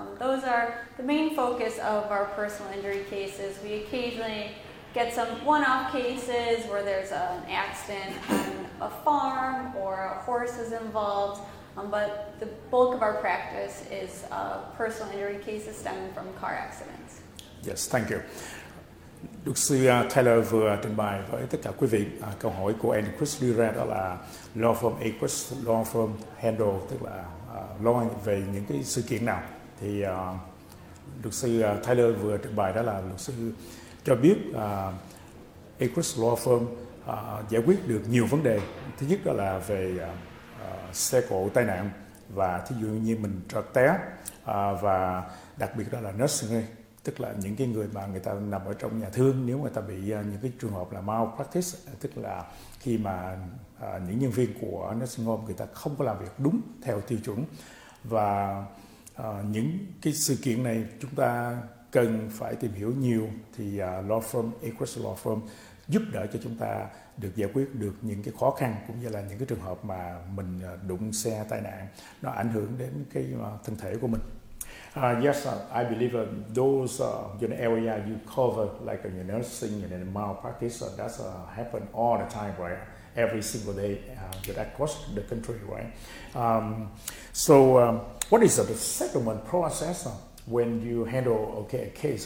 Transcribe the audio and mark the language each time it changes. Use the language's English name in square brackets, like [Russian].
[English] Those are the main focus of our personal injury cases. We occasionally get some one-off cases where there's an accident on a farm or a horse is involved. But the bulk of our practice is personal injury cases stemming from car accidents. Yes, thank you. [Vietnamese] Luật sư Tyler vừa trình bày với tất cả quý vị câu hỏi của Agruss đưa ra, đó là law firm Agruss, [English] law firm handle, [Vietnamese] tức là lo về những cái sự kiện nào. Thì luật sư Tyler vừa trình bày, đó là luật sư cho biết Agruss law firm giải quyết được nhiều vấn đề. Thứ nhất đó là về xe cộ tai nạn, và thí dụ như mình trượt té, và đặc biệt đó là nursing home, tức là những cái người mà người ta nằm ở trong nhà thương, nếu người ta bị những cái trường hợp là malpractice, tức là khi mà những nhân viên của nursing home người ta không có làm việc đúng theo tiêu chuẩn. Và những cái sự kiện này chúng ta cần phải tìm hiểu nhiều, thì law firm Agruss law firm giúp đỡ cho chúng ta được giải quyết được những cái khó khăn, cũng như là những cái trường hợp mà mình đụng xe tai nạn nó ảnh hưởng đến cái thân thể của mình. [English] Yes, I believe those area you cover, like your nursing and malpractice, that's happen all the time, right? Every single day across the country, right? What is the settlement process when you handle a case?